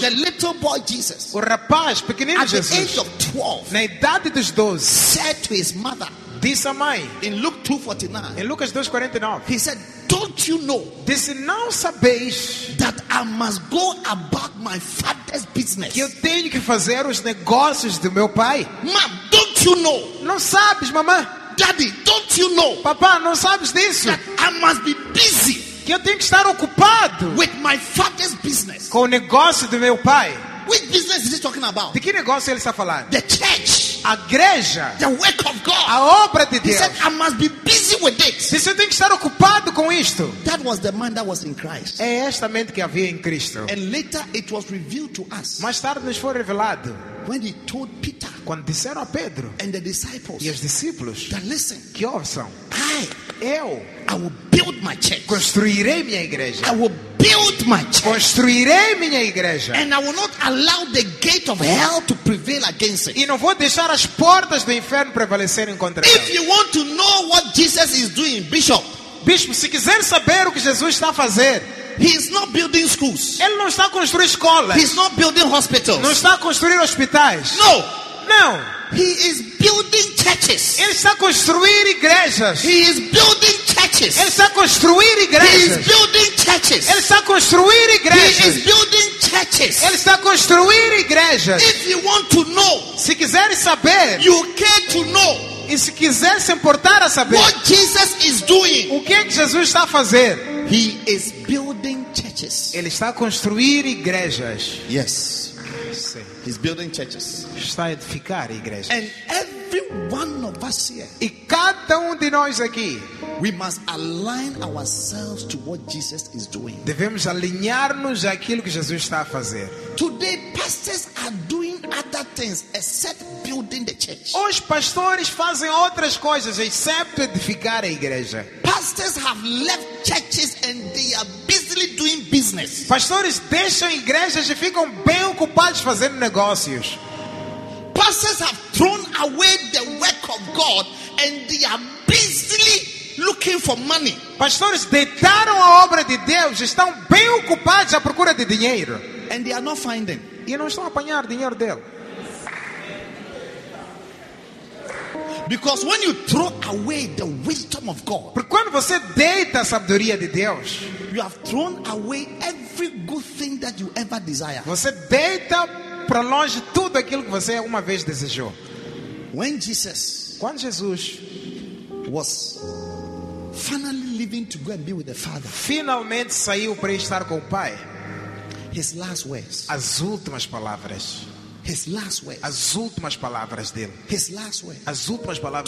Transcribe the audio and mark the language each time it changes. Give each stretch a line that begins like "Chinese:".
English: The little boy Jesus.
Portuguese: O rapaz pequenino Jesus.
English: At the age of 12.
Portuguese: Na idade dos 12.
English: Said to his mother.
Portuguese: Disse à mãe.
English: In Luke 2:49.
Portuguese: Em Lucas 2:49.
English: He said, "Don't you know?"
Portuguese: Disse, não sabes?
English: That I must go about my father's business.
Portuguese: Que eu tenho que fazer os negócios do meu pai.
English: Mom, don't you know?
Portuguese: Não sabes, mamã?
English: Daddy, don't you know?
Portuguese: Papá, não sabes disso?
English: That I must be busy.
Portuguese: Que eu tenho que estar ocupado.
English: With my father's business.
Portuguese: Com o negócio do meu pai.
English: Which business is he talking about?
Portuguese: De que negócio ele está falando?
English: The church.
Portuguese: A igreja.
English: The work of God.
Portuguese: A obra de Deus.
English: He said, I must be busy with it.
Portuguese: Disse, eu tenho que estar ocupado com isto.
English: That was the mind that was in Christ.
Portuguese: É esta mente que havia em Cristo.
English: And later it was revealed to us.
Portuguese: Mais tarde nos foi revelado.
English: When he told Peter,
Portuguese: quando disseram a Pedro
English: and the disciples,
Portuguese: e os discípulos,
English: that listen,
Portuguese: que ouçam,
English: I will build my church,
Portuguese: construirei minha igreja,
English: I will build my church,
Portuguese: construirei minha igreja,
English: and I will not allow the gate of hell to prevail against it,
Portuguese: e não vou deixar as portas do inferno prevalecerem contra
English: if
Portuguese: ela.
English: You want to know what Jesus is doing, bishop,
Portuguese: se quiser saber o que Jesus está a fazer.
English: He is not building schools.
Portuguese: Ele não está a construir escolas.
English: He is not building hospitals.
Portuguese: Não está a construir hospitais.
English: No.
Portuguese: Não.
English: He is building churches.
Portuguese: Ele está a construir igrejas.
English: He is building churches.
Portuguese: Ele está a construir igrejas.
English: He is building churches.
Portuguese: Ele está a construir igrejas.
English: He is building churches.
Portuguese: Ele está a construir igrejas.
English: If you want to know,
Portuguese: se quiseres saber,
English: you care to know.
Portuguese: E se quiser se importar a saber,
English: what Jesus is doing,
Portuguese: o que é que Jesus está a fazer?
English: He is building churches.
Portuguese: Ele está a construir igrejas.
English: Yes. He's building churches.
Portuguese: Está a edificar igrejas.
English: And every one of us here,
Portuguese: e cada de nós aqui,
English: we must align ourselves to what Jesus is doing.
Portuguese: Devemos alinhar-nos àquilo que Jesus está a fazer.
English: Today, pastors are doing other things except building the church.
Portuguese: Hoje, pastores fazem outras coisas exceto edificar a igreja.
English: Pastors have left churches and they are busily doing business.
Portuguese: Pastores deixam igrejas e ficam bem ocupados fazendo negócios.
English: Pastors have thrown away the work of God and they are busily looking for money.
Portuguese: Pastores deitaram a obra de Deus e estão bem ocupados à procura de dinheiro.
English: And they are not finding.
Portuguese: E não estão a apanhar dinheiro dele.
English: Because when you throw away the wisdom of God,
Portuguese: porque quando você deita a sabedoria de Deus,
English: you have thrown away every good thing that you ever desire.
Portuguese: Você deita para longe tudo aquilo que você uma vez desejou.
English: When Jesus,
Portuguese: quando Jesus
English: was finally leaving to go and be with the Father,
Portuguese: finalmente saiu para estar com o Pai.
English: His last words,
Portuguese: as últimas palavras.
English: His last words,
Portuguese: as últimas palavras dele.
English: His last words,
Portuguese: as últimas palavras